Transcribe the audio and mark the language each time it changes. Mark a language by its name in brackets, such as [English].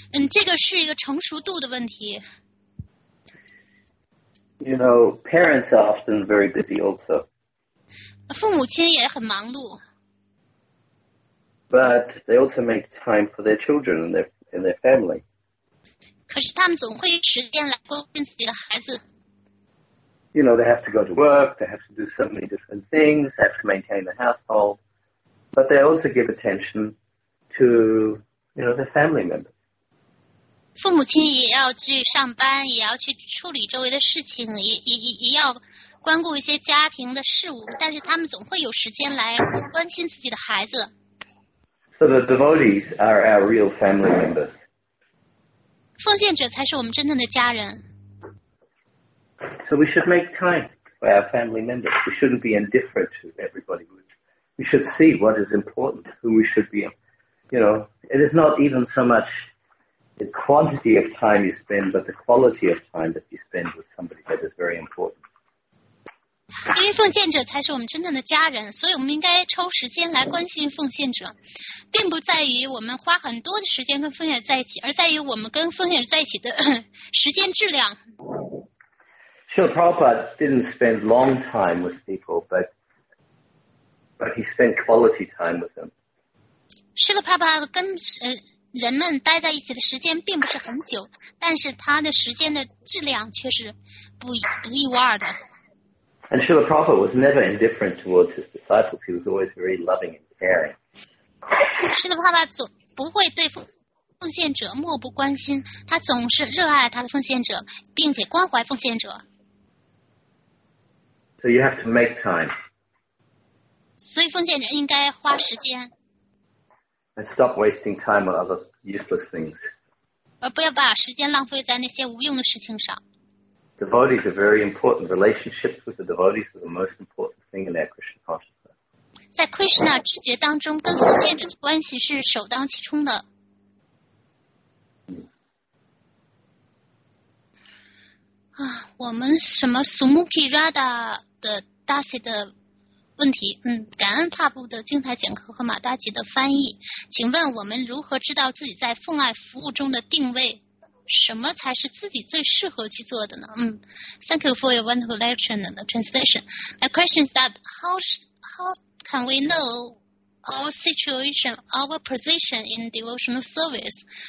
[Chinese] 这个是一个成熟度的问题。 [English] You know, parents are often very busy also. [Chinese] 父母亲也很忙碌。 [English] But they also make time for their children and their family. [Chinese] 可是他们总会有时间来关心自己的孩子。 [English] You know, they have to go to work, they have to do so many different things, they have to maintain the household, but they also give attention to you know, their family members. [Chinese] 父母亲也要去上班，也要去处理周围的事情，也要关顾一些家庭的事务，但是他们总会有时间来关心自己的孩子。 [English] So the devotees are our real family members. [Chinese] 奉献者才是我们真正的家人。 [English] So we should make time for our family members. We shouldn't be indifferent to everybody. We should see what is important, who we should be. You know, it is not even so much... The quantity of time you spend, but the quality of time that you spend with somebody that is very important. [Chinese] 因为奉献者才是我们真正的家人，所以我们应该抽时间来关心奉献者，并不在于我们花很多的时间跟奉献者在一起，而在于我们跟奉献者在一起的时间质量。 [English] Srila Prabhupada didn't spend long time with people, but he spent quality time with them. [Chinese] Srila Prabhupada 跟人们待在一起的时间并不是很久，但是他的时间的质量却是独一无二的。 [English] And Srila Prabhupada was never indifferent towards his disciples. He was always very loving and caring. [Chinese] Srila Prabhupada 总不会对奉献者漠不关心，他总是热爱他的奉献者，并且关怀奉献者。 [English] So you have to make time. [Chinese] 所以奉献者应该花时间。 [English] And stop wasting time on other useless things. [Chinese] 而不要把时间浪费在那些无用的事情上。 [English] Devotees are very important. Relationships with the devotees are the most important thing in our Krishna consciousness. [Chinese] 在 Krishna 知觉当中，跟奉献者的关系是首当其冲的。啊，我们什么 Sumukhi Radha 的 Dasi 的。问题，感恩帕布的精彩讲课和马达吉的翻译，请问我们如何知道自己在奉爱服务中的定位？什么才是自己最适合去做的呢？ [English] Thank you for your wonderful lecture and the translation. My question is that how can we know our situation, our position in devotional service?